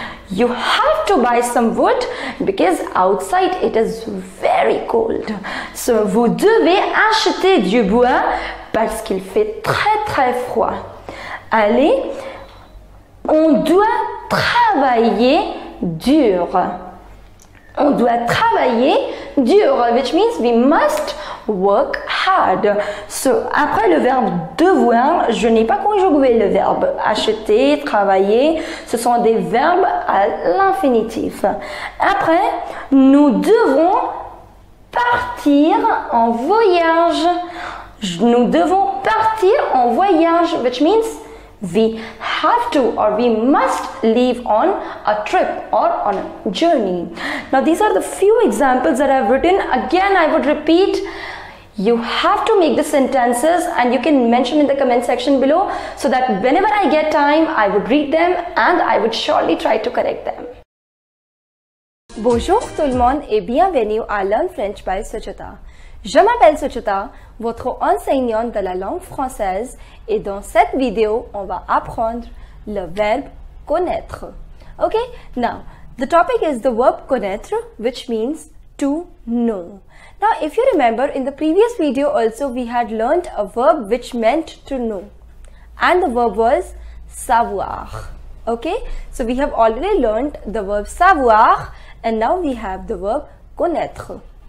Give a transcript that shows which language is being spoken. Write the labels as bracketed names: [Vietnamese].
[English] You have to buy some wood because outside it is very cold. [French] So, vous devez acheter du bois parce qu'il fait très très froid. Allez, on doit travailler dur. On doit travailler dur, [English] which means we must work hard. [French] So, après le verbe devoir, je n'ai pas conjugué le verbe acheter, travailler. Ce sont des verbes à l'infinitif. Après, nous devons partir en voyage. Nous devons partir en voyage, [English] which means we have to or we must leave on a trip or on a journey. Now, these are the few examples that I've written. Again, I would repeat, you have to make the sentences and you can mention in the comment section below so that whenever I get time, I would read them and I would surely try to correct them. [French] Bonjour tout le monde et bienvenue à Learn French by Suchita. Je m'appelle Suchita, votre enseignante de la langue française, et dans cette vidéo, on va apprendre le verbe connaître. [English] Okay, now, the topic is the verb connaître, which means to know. Now, if you remember, in the previous video also, we had learned a verb which meant to know. And the verb was savoir. Okay, so we have already learned the verb savoir, and now we have the verb connaître.